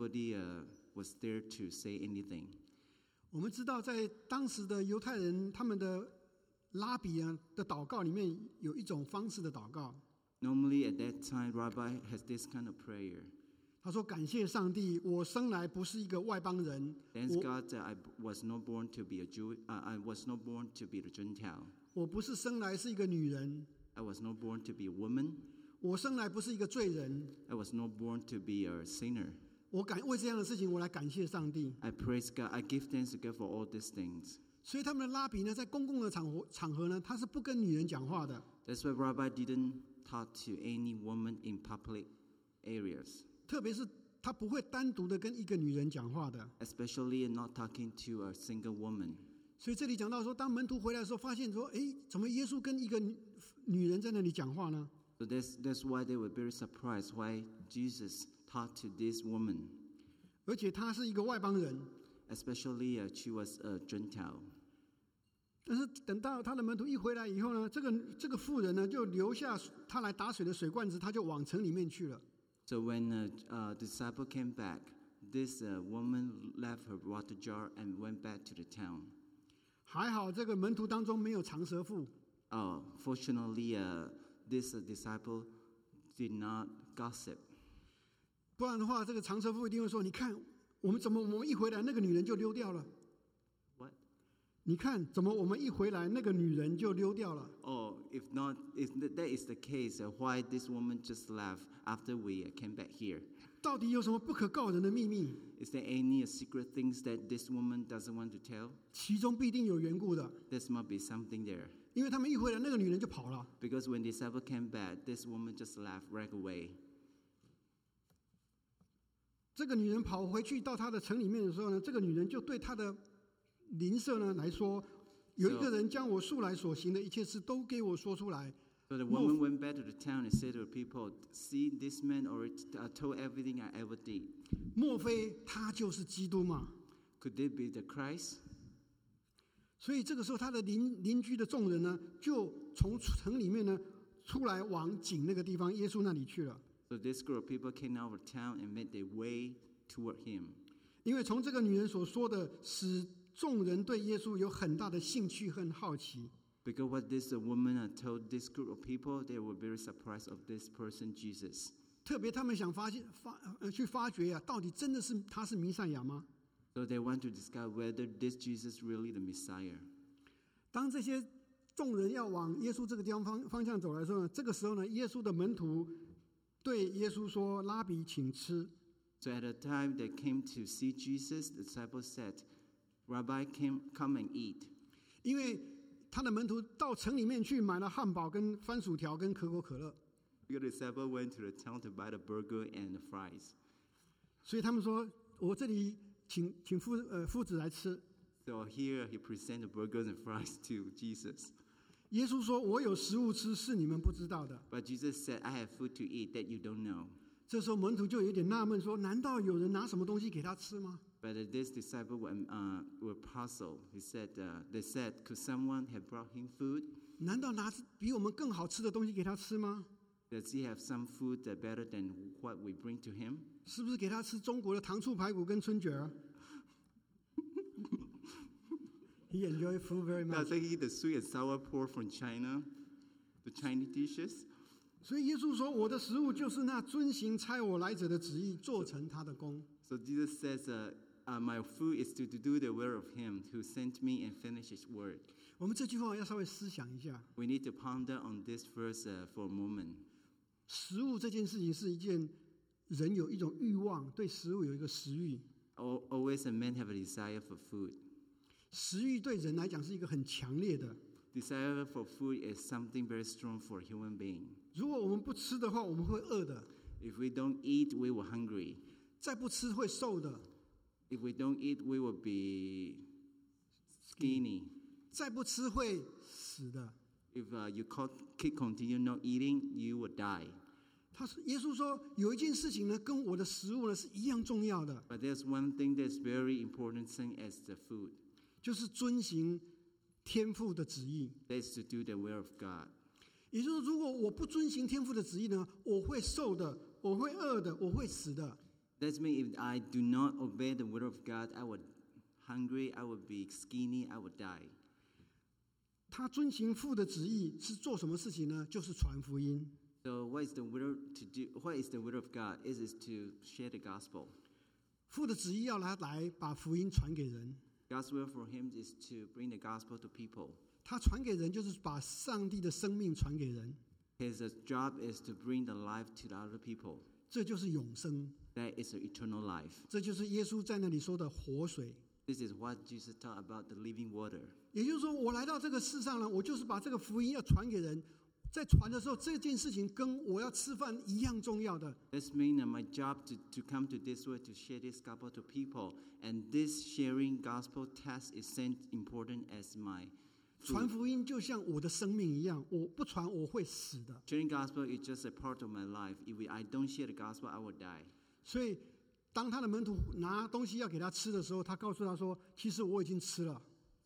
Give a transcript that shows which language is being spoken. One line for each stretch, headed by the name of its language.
English: idea was there to say anything.
Chinese: 我们知道在当时的犹太人他们的拉比的祷告里面有一种方式的祷告。
English: Normally at that time, Rabbi has this kind of prayer.
Chinese: 他说感谢上帝，我生来不是一个外邦人。
English: Thanks God that I was not born to be a Jew. I was not born to be a Gentile.
Chinese: 我不是生来是一个女人。
English: I was not born to be a woman.
Chinese: 我生来不是一个罪人。
English: I was not born to be a sinner.
Chinese: 我感为这样的事情，我来感谢上帝。
English: I praise God. I give thanks to God for all these things.
Chinese: 所以他们的拉比呢，在公共的场合呢，他是不跟女人讲话的。
English: That's why Rabbi didn't talk to any woman in public areas.
Chinese: 特别是他不会单独的跟一个女人讲话的。
English: Especially not talking to a single woman.
Chinese: 所以这里讲到说，当门徒回来的时候，发现说，哎，怎么耶稣跟一个女人在那里讲话呢？
English: So that's why they were very surprised why Jesus talked to this woman.
Chinese: 而且她是一个外邦人。
English: Especially she was a Gentile.
Chinese: 但是等到他的门徒一回来以后呢，这个妇人呢就留下他来打水的水罐子，他就往城里面去了。
English: So when the disciple came back, this woman left her water jar and went back to the town.
Chinese: 还好这个门徒当中没有长舌妇。
English: Oh, fortunately, This disciple did not gossip.
Chinese: 不然的话，这个长舌妇一定会说：“你看，我们怎么我们一回来，那个女人就溜掉了。”
English: What?
Chinese: 你看，怎么我们一回来，那个女人就溜掉了。
English: Oh, if that is the case, why this woman just left after we came back here?
Chinese: 到底有什么不可告人的秘密？
English: Is there any secret things that this woman doesn't want to tell?
Chinese: 其中必定有缘故的。
English: There must be something there.
Chinese: 因为他们一回来，那个女人就跑了。
English: Because when the disciple came back, this woman just left right away.
Chinese: 这个女人跑回去到她的城里面的时候呢，这个女人就对她的邻舍呢来说，有一个人将我素来所行的一切事都给我说出来。
English: So the woman went back to the town and said to the people, "See, this man already told everything I ever did."
Chinese: 莫非他就是基督吗
English: ？Could they be the Christ?
Chinese: 所以这个时候，他的邻居的众人呢，就从城里面呢出来，往井那个地方，耶稣那里去了。
English: So this group of people came out of town and made their way toward him.
Chinese: 因为从这个女人所说的，使众人对耶稣有很大的兴趣和好奇。
English: Because what this woman told this group of people, they were very surprised of this person Jesus.
Chinese: 特别他们想发掘到底真的是他是弥赛亚吗？
English: So they want to discover whether this Jesus really the Messiah.
Chinese: 当这些众人要往耶稣这个地方方向走来的时候呢，这个时候呢，耶稣的门徒对耶稣说：“拉比，请吃。”
English: So at the time they came to see Jesus, the disciple said, "Rabbi, come and eat."
Chinese: 因为他的门徒到城里面去买了汉堡、跟番薯条、跟可口可乐。
English: The disciple went to the town to buy the burger and the fries.
Chinese: 所以他们说：“我这里。” 请夫子来吃。
English: So here he presents the burgers and fries to Jesus.
Chinese: 耶稣说：“我有食物吃，是你们不知道的。”
English: But Jesus said, "I have food to eat that you don't know."
Chinese: 这时候门徒就有点纳闷，说：“难道有人拿什么东西给他吃吗？”
English: But this disciple were puzzled. He said, "They said, could someone have brought him food?"
Chinese: 难道拿比我们更好吃的东西给他吃吗？
English: Does he have some food that better than what we bring to him?
Chinese: 是不是给他吃中国的糖醋排骨跟春卷 ？
English: He enjoys food very much. Does he eat the sweet and sour pork from China, the Chinese dishes?
Chinese: 所以耶稣说，我的食物就是那遵行差我来者的旨意，做成他的工。
English: So Jesus says, "My food is to do the will of him who sent me and finish his work."
Chinese: 我们这句话要稍微思想一下。
English: We need to ponder on this verse for a moment.
Chinese: 食物这件事情是一件人有一种欲望，对食物有一个食欲。
English: Always a man have a desire for food.
Chinese: 食欲对人来讲是一个很强烈的。
English: Desire for food is something very strong for a human being.
Chinese: 如果我们不吃的话，我们会饿的。
English: If we don't eat, we will hungry.
Chinese: 再不吃会瘦的。
English: If we don't eat, we will be skinny.
Chinese: 再不吃会死的。
English: If you keep continue not eating, you will die.
Chinese: 他说，耶稣说，有一件事情呢，跟我的食物呢是一样重要的。
English: But there's one thing that's very important thing as the food.
Chinese: 就是遵行天父的旨意。
English: That's to do the will of God.
Chinese: 也就是如果我不遵行天父的旨意呢，我会瘦的，我会饿的，我会死的。
English: That means if I do not obey the word of God, I would be hungry, I would be skinny, I would die.
Chinese: 他遵行父的旨意是做什么事情呢？就是传福音。
English: So what is the will to do? What is the will of God? It is to share the gospel.
Chinese: 父的旨意要他来把福音传给人。
English: God's will for him is to bring the gospel to people.
Chinese: 他传给人就是把上帝的生命传给人。
English: His job is to bring the life to the other people.
Chinese: 这就是永生。
English: That is an eternal life.
Chinese: 这就是耶稣在那里说的活水。
English: This is what Jesus taught about the living water.
Chinese: 也就是说，我来到这个世上呢，我就是把这个福音要传给人。在传的时候，这件事情跟我要吃饭一样重要的。
English: This means my job to come to this world to share this gospel to people, and this sharing gospel task is as important as my.
Chinese: 传福音就像我的生命一样，我不传我会死的。
English: Sharing gospel is just a part of my life. If I don't share the gospel, I will die.
Chinese: 所以当他的门徒拿东西要给他吃的时候，他告诉他说：“其实我已经吃了。”